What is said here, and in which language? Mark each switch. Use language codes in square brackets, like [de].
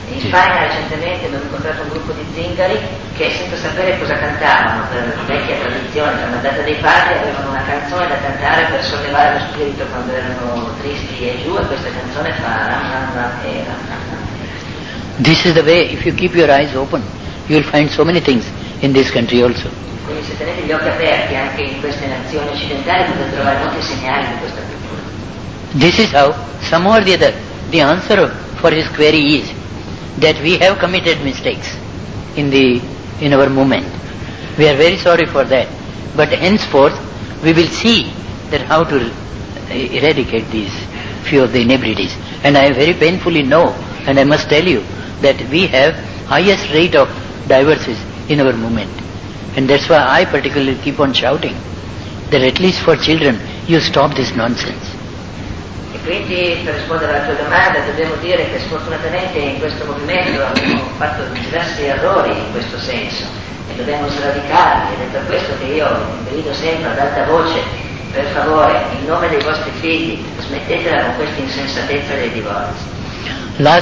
[it] In Spagna recentemente abbiamo incontrato un gruppo di zingari che senza sapere cosa cantavano, per vecchia tradizione, per una data dei padri, avevano una canzone da cantare per sollevare lo spirito quando erano tristi e giù, e questa canzone fa Ram Ram Ram e Ram Ram. [en] This is the way, if you keep your eyes open, you will find so many things in this country also. [it] Quindi se tenete gli occhi aperti anche in queste nazioni occidentali potete trovare molti segnali di questa cultura. [en] This is how, somehow or the other, the answer for his query is that we have committed mistakes in our movement. We are very sorry for that. But henceforth, we will see that how to eradicate these few of the inebrieties. And I very painfully know, and I must tell you, that we have highest rate of divorces in our movement. And that's why I particularly keep on shouting that at least for children you stop this nonsense. [it] E quindi per rispondere alla tua domanda dobbiamo dire che sfortunatamente in questo movimento abbiamo fatto diversi errori in questo senso e dobbiamo sradicarli, ed è per questo che io grido sempre ad alta voce, per favore, in nome dei vostri figli, smettetela con questa insensatezza dei divorzi.